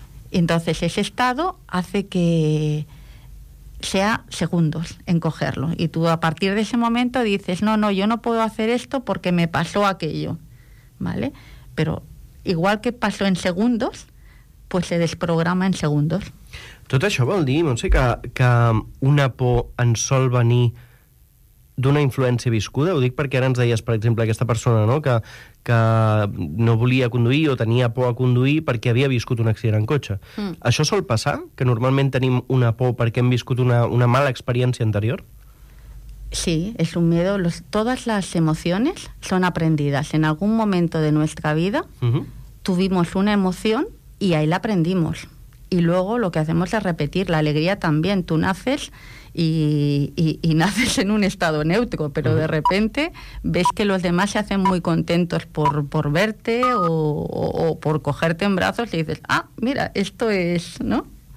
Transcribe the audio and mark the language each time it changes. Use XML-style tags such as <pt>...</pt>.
<es>Entonces, ese estado hace que sea segundos en cogerlo. Y tú a partir de ese momento dices, no, yo no puedo hacer esto porque me pasó aquello, ¿vale? Pero igual que pasó en segundos, pues se desprograma en segundos.</es> <ca>Tot això vol dir, Montse, que una por en sol venir d'una influència viscuda? Ho dic perquè ara ens deies, per exemple, aquesta persona, no?, que no volia conduir o tenia por a conduir perquè havia viscut un accident en cotxe. Mm. Això sol passar? Que normalment tenim una por perquè hem viscut una mala experiència anterior?</ca> <es>Sí, es un miedo. Todas las emociones son aprendidas. En algún momento de nuestra vida, uh-huh, tuvimos una emoción y ahí la aprendimos. Y luego lo que hacemos es repetir. La alegría también. Tú naces y naces en un estado neutro, pero de repente ves que los demás se hacen muy contentos por verte o por cogerte en brazos y dices, ah, mira, esto es, ¿no?</es>